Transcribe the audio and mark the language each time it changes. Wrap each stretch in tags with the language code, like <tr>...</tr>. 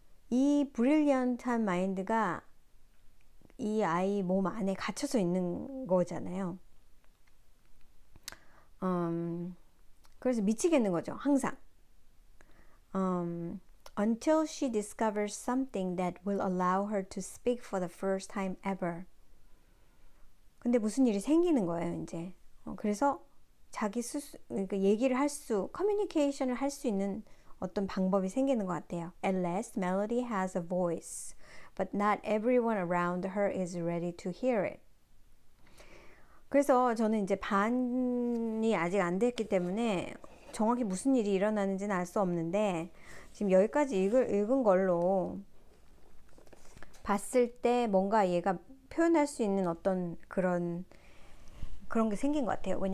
<ko>이 브릴리언트한 마인드가 이 아이 몸 안에 갇혀서 있는 거잖아요. 그래서 미치겠는 거죠, 항상.</ko> <en>Until she discovers something that will allow her to speak for the first time ever.</en> <ko>근데 무슨 일이 생기는 거예요, 이제. 그래서 자기 스스로, 그러니까 얘기를 할 수, 커뮤니케이션을 할수 있는 어떤 방법이 생기는 것 같아요.</ko> <en>At last, Melody has a voice, but not everyone around her is ready to hear it.</en> <ko>그래서 저는 이제 반이 아직 안 됐기 때문에 정확히 무슨 일이 일어나는지는 알수 없는데, 지금 여기까지 읽은 걸로 봤을 때 뭔가 얘가 표현할 수 있는 어떤 그런 게 생긴 것 같아요.</ko>